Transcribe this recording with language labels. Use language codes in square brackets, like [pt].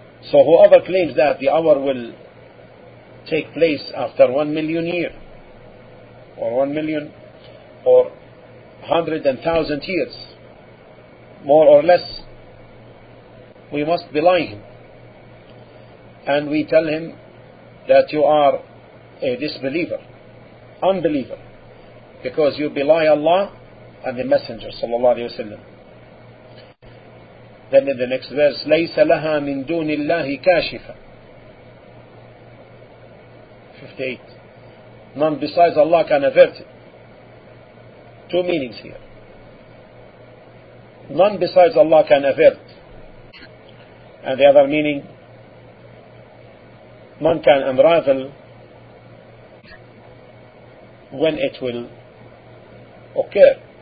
[en] So whoever claims that the hour will take place after 1 million years, or 1 million, or 100,000 years, more or less, we must belie him. And we tell him that you are a disbeliever, unbeliever, because you belie Allah and the Messenger sallallahu alayhi wa sallam. Then in the next verse, [ar] لَيْسَ لَهَا مِن دُونِ اللَّهِ كَاشِفًا. [en] 58. None besides Allah can avert it. Two meanings here. None besides Allah can avert. And the other meaning, none can unravel when it will occur.